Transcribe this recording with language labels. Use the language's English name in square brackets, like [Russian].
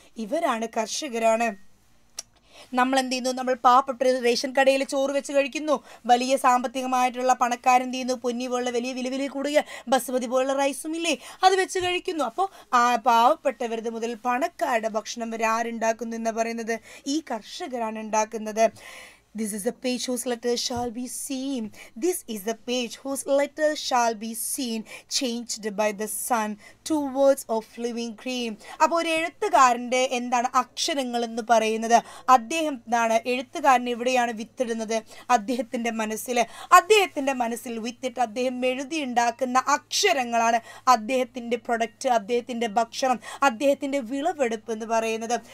[Malayalam] ഇവരാണ്, കർഷകരാണ്. നമ്മൾ എന്ത് ചെയ്യുന്നു, നമ്മൾ പാവപ്പെട്ട റേഷൻ കടയിൽ ചോറ് വെച്ച് കഴിക്കുന്നു. വലിയ സാമ്പത്തികമായിട്ടുള്ള പണക്കാരൻ എന്ത് ചെയ്യുന്നു, പൊന്നി പോലുള്ള വലിയ വില വിലയിൽ കൂടുക ബസുമതി പോലുള്ള റൈസും ഇല്ലേ, അത് വെച്ച് കഴിക്കുന്നു. അപ്പോൾ ആ പാവപ്പെട്ടവരുടെ മുതൽ പണക്കാരുടെ ഭക്ഷണം വരെ ആരുണ്ടാക്കുന്നു എന്ന് പറയുന്നത്? ഈ കർഷകരാണ് ഉണ്ടാക്കുന്നത്. [English] This is the page whose letter shall be seen. This is the page whose letter shall be seen. Changed by the sun to words of living cream. [Malayalam] അപ്പോൾ ഒരു എഴുത്തുകാരൻ്റെ എന്താണ് അക്ഷരങ്ങൾ എന്ന് പറയുന്നത്? അദ്ദേഹം എന്താണ് എഴുത്തുകാരൻ എവിടെയാണ് വിത്തിടുന്നത്? അദ്ദേഹത്തിൻ്റെ മനസ്സിൽ. അദ്ദേഹത്തിൻ്റെ മനസ്സിൽ വിത്തിട്ട് അദ്ദേഹം എഴുതി ഉണ്ടാക്കുന്ന അക്ഷരങ്ങളാണ് അദ്ദേഹത്തിൻ്റെ പ്രൊഡക്റ്റ്, അദ്ദേഹത്തിൻ്റെ ഭക്ഷണം, അദ്ദേഹത്തിൻ്റെ വിളവെടുപ്പ് എന്ന് പറയുന്നത്.